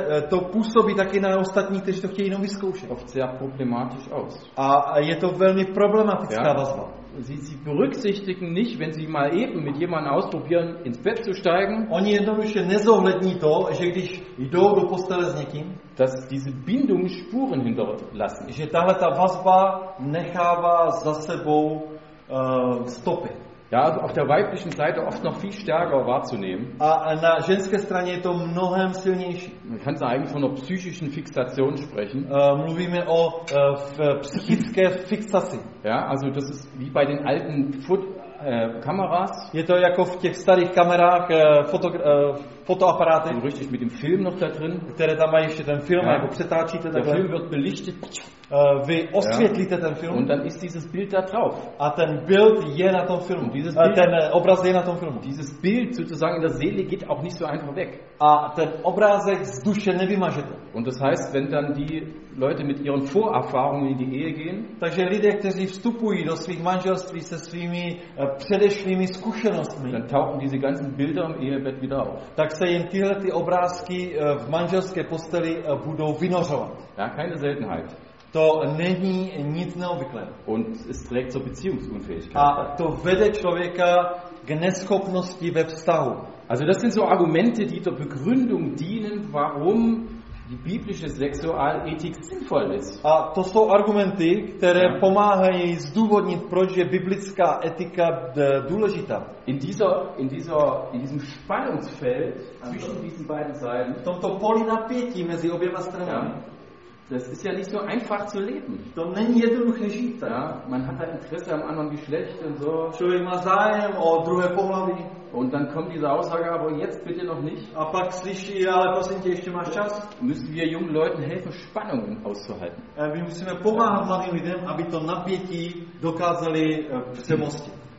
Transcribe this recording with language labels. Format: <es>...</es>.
<cs>to působí taky na ostatní, kteří to chtějí jenom vyzkoušet.</cs> <de>Oft sehr problematisch aus.</de> <cs>A je to velmi problematická vazba.</cs> <de>Sie berücksichtigen nicht, wenn sie mal eben mit jemandem ausprobieren, ins Bett zu steigen.</de> <cs>Oni jednoduše nezohlední to, že když jdou do postele s někým,</cs> <de>dass diese Bindung Spuren hinterlassen.</de> <cs>Že tahle ta vazba nechává za sebou stopy.</cs> <de>Ja, auf der weiblichen Seite oft noch viel stärker wahrzunehmen.</de> <cs>A na ženské straně je to mnohem silnější.</cs> <de>Man kann da eigentlich von einer psychischen Fixation sprechen.</de> <cs>Mluvíme o psychické fixaci.</cs> <de>Ja, also das ist wie bei den alten Kameras.</de> <cs>Je to jako v těch starých kamerách, fotoaparáty.</cs> <de>So richtig mit dem Film noch da drin.</de> <cs>Které tam mají ještě ten film, jako přetáčíte takhle.</cs> <de>Der Film wird belichtet.</de> <cs>Vy osvětlíte ten film.</cs> <de>Und dann ist dieses Bild da drauf.</de> <cs>A ten Bild je na tom filmu. Ten obraz je na tom filmu.</cs> <de>Dieses Bild sozusagen in der Seele geht auch nicht so einfach weg.</de> <cs>A ten obrázek z duše nevymažete.</cs> <de>Und das heißt, wenn dann die Leute mit ihren Vorerfahrungen in die Ehe gehen,</de> <cs>takže lidé, kteří vstupují do svých manželství se svými předešlými zkušenostmi,</cs> <de>dann tauchen diese ganzen Bilder im Ehebett wieder auf.</de> <cs>Tak se jim tyhle ty obrázky v manželské posteli budou vynořovat.</cs> <de>Ja, keine Seltenheit.</de> <cs>To není nic neobvyklého.</cs> <de>Und es trägt zur Beziehungsunfähigkeit.</de> <cs>A to vede člověka k neschopnosti ve vztahu.</cs> <de>Also das sind so Argumente, die zur Begründung dienen, warum die biblische Sexualethik sinnvoll ist.</de> <cs>A to jsou argumenty, které pomáhají zdůvodnit, proč je biblická etika důležitá.</cs> <de>In diesem Spannungsfeld zwischen diesen beiden Seiten,</de> <cs>v tomto poli napětí mezi oběma stranami. Ja.</cs> <de>Das ist ja nicht so einfach zu leben.</de> <cs>To není jednoduché žít.</cs> <de>Ja, man hat halt Interesse am anderen Geschlecht und so.</de> <cs>Člověk má zájem o druhé pohlaví.</cs> <de>Und dann kommt diese Aussage, aber jetzt bitte noch nicht.</de> <cs>A pak slyší, ale prosím tě, ještě máš čas.</cs> <de>Müssen wir jungen Leuten helfen, Spannungen auszuhalten.</de> <cs>My musíme pomáhat mladým lidem, aby to napětí dokázali přemostit.</cs>